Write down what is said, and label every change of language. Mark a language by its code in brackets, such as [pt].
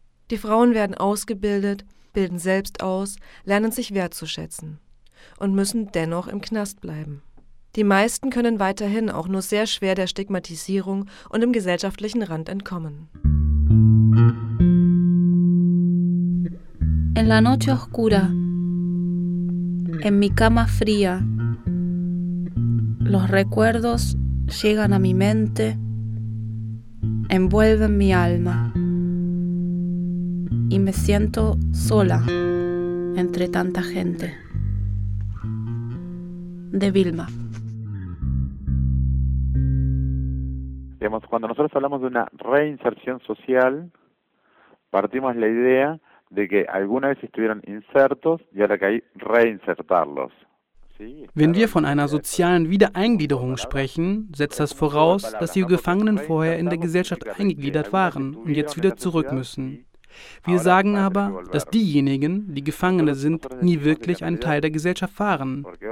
[de] Die Frauen werden ausgebildet, bilden selbst aus, lernen sich wertzuschätzen und müssen dennoch im Knast bleiben. Die meisten können weiterhin auch nur sehr schwer der Stigmatisierung und dem gesellschaftlichen Rand entkommen. [es] En la noche oscura, en mi cama fría, los recuerdos llegan a mi mente, envuelven mi alma y me siento sola entre tanta gente. De Vilma. Digamos, cuando nosotros hablamos de una reinserción social, partimos la idea de que alguna vez estuvieron insertos y ahora que hay reinsertarlos. [de] Wenn wir von einer sozialen Wiedereingliederung sprechen, setzt das voraus, dass die Gefangenen vorher in der Gesellschaft eingegliedert waren und jetzt wieder zurück müssen. Wir sagen aber, dass diejenigen, die Gefangene sind, nie wirklich ein Teil der Gesellschaft waren.